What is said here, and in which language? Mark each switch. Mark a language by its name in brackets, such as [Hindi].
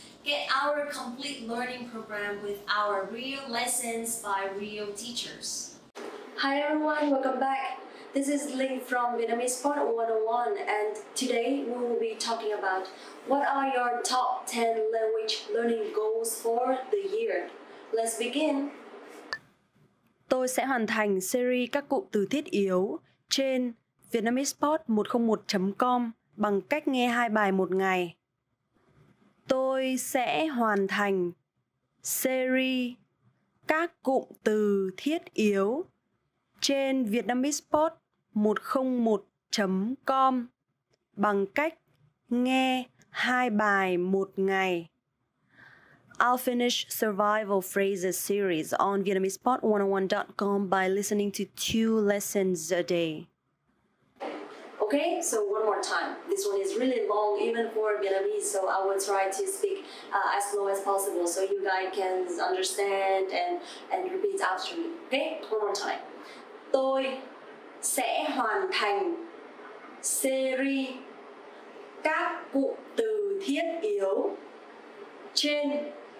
[English] Get our complete learning program with our real lessons by real teachers. Hi everyone, welcome back. This is Linh from VietnamesePod101, and today we will be talking about what are your top 10 language learning goals for the year. Let's begin. [Vietnamese] Tôi sẽ hoàn thành series các cụm từ thiết yếu trên VietnamesePod101.com bằng cách nghe 2 bài một ngày. Tôi sẽ hoàn thành series các cụm từ thiết yếu trên VietnamesePod101.com bằng cách nghe 2 bài một ngày. [English] I'll finish survival phrases series on VietnamesePod101.com by listening to 2 lessons a day. Okay, so one more time. This one is really long even for Vietnamese, so I will try to speak as slow as possible so you guys can understand and repeat after me. Okay, one more time. [Vietnamese] Tôi sẽ hoàn thành series các cụm từ thiết yếu trên